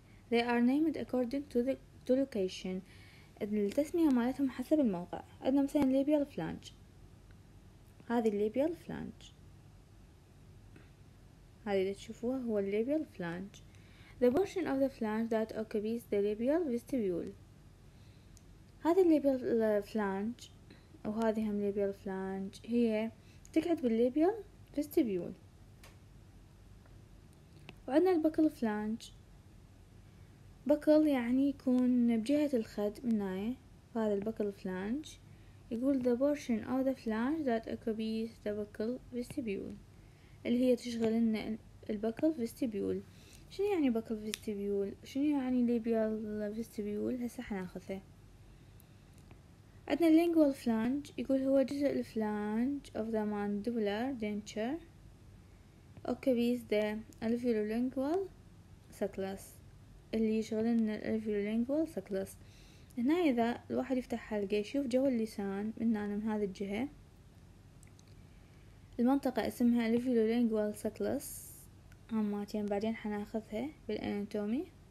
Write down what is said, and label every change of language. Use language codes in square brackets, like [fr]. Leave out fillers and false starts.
[en] They are named according to the location. [ar] التسمية مالتهم حسب الموقع. عندنا مثلا labial flange, هذه الليبيال فلانج, هذه اللي تشوفوها هو الليبيال فلانج. [en] The portion of the flange that occupies the labial vestibule, [ar] هذه الليبيال فلانج وهذه هم الليبيال فلانج, هي تقعد بالليبيال فيستيبيول. وعندنا البكل فلانج, بكل يعني يكون بجهة الخد من ناية, وهذا البكل فلانج. [en] يقول the portion of the flange that occupies the buccal vestibule, [ar] اللي هي تشغل لنا البكل فيستيبيول. شنو يعني بكل فيستيبيول؟ شنو يعني labial vestibule؟ هسه حناخذه. عندنا lingual flange, يقول هو جزء الفلانج [en] of the mandibular denture occupies the alveolingual sulcus, [ar] اللي يشغل لنا alveolingual sulcus. هنا إذا الواحد يفتح حلقه يشوف جو اللسان من هنا من هذه الجهة, المنطقة اسمها الفيلولينجوال سكلس عماتين, بعدين حناخذها بالأناتومي.